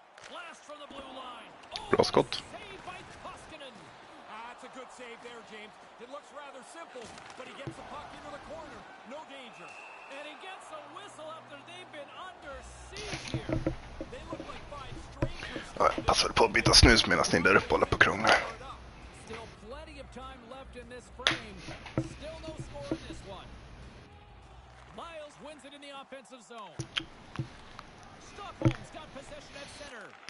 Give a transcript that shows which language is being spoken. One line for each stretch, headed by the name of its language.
English: Blast from the blue line. Oh, Scott. Saved by Koskinen. That's a good save there, James. It looks rather simple, but he gets the puck into the corner. No danger. And he gets a whistle after they've been under siege here. They look like five strangers.
Swedish: Passar på att byta snus medan ni där uppe håller på krångel.
English: Still plenty of time left in this frame. Still no score in this one. Miles wins it in the offensive zone. Stockholm's got possession at center.